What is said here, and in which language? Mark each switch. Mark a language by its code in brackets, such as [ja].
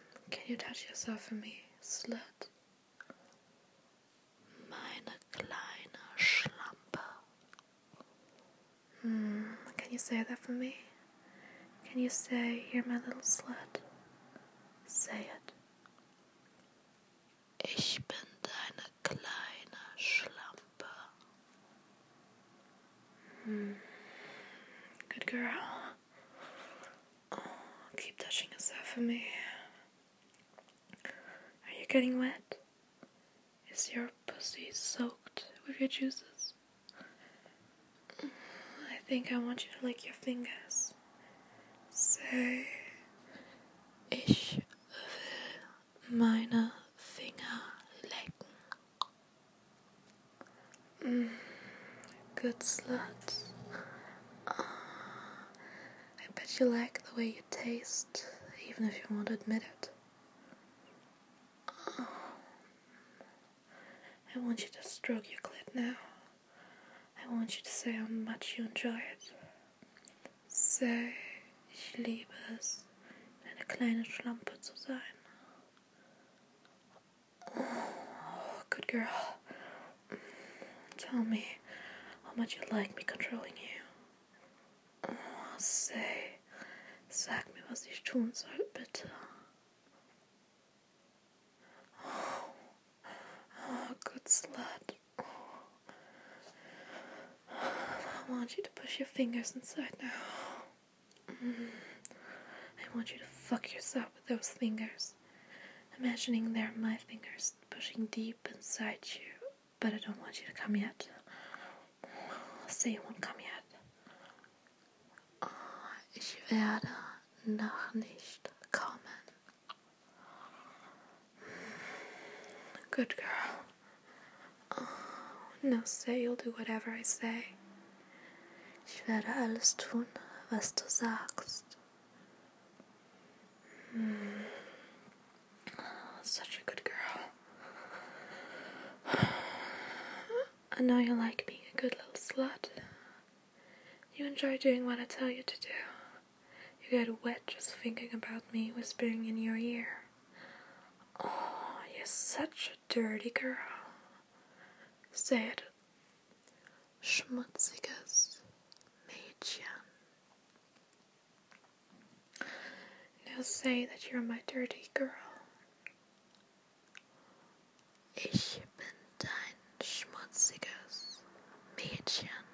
[en] Can you touch yourself for me, slut? [de] Meine kleine Schlampe. [en] Can you say that for me? Can you say, you're my little slut? Say it. [de] Ich bin deine kleine Schlampe. [en] Good girl. Keep touching yourself for me. Getting wet? Is your pussy soaked with your juices? I think I want you to lick your fingers. Say, [de] ich will meine Finger lecken. [en] Good slut. I bet you like the way you taste, even if you won't admit it. I want you to stroke your clit now. I want you to say how much you enjoy it. Say, [de] ich liebe es, eine kleine Schlampe zu sein. [en] Oh, good girl. Tell me how much you like me controlling you. Say, [de] sag mir, was ich tun soll, bitte. [en] Slut. I want you to push your fingers inside now. I want you to fuck yourself with those fingers. Imagining they're my fingers pushing deep inside you. But I don't want you to come yet. Say you won't come yet. [de] Ich werde noch nicht kommen. [en] Good girl. Now say you'll do whatever I say. [de] Ich werde alles tun, was du sagst. [en] Such a good girl. I know you like being a good little slut. You enjoy doing what I tell you to do. You get wet just thinking about me whispering in your ear. Oh, you're such a dirty girl. Say it. [de] Schmutziges Mädchen. [en] Now say that you're my dirty girl. [de] Ich bin dein schmutziges Mädchen.